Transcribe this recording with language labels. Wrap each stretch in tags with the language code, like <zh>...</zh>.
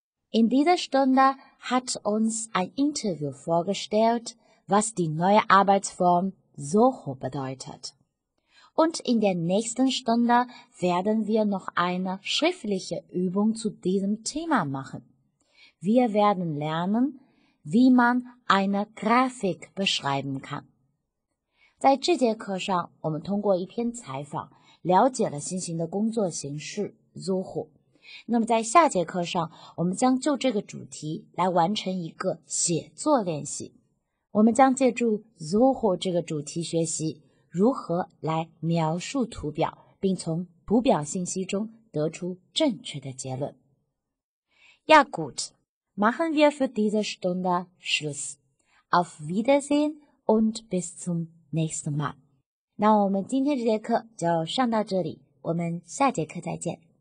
<de>In dieser Stunde hat uns ein Interview vorgestellt, was die neue Arbeitsform Soho bedeutet. Und in der nächsten Stunde werden wir noch eine schriftliche Übung zu diesem Thema machen. Wir werden lernen, wie man eine Grafik beschreiben kann.</de> <zh>在这节课上，我们通过一篇采访，了解了新型的工作形式 Soho。那么在下节课上，我们将就这个主题来完成一个写作练习。我们将借助 Zoho 这个主题学习如何来描述图表，并从图表信息中得出正确的结论。</zh> <de>Ja gut, machen wir für diese Stunde Schluss. Auf Wiedersehen und bis zum nächsten Mal.</de> <zh>那我们今天这节课就上到这里，我们下节课再见。</zh>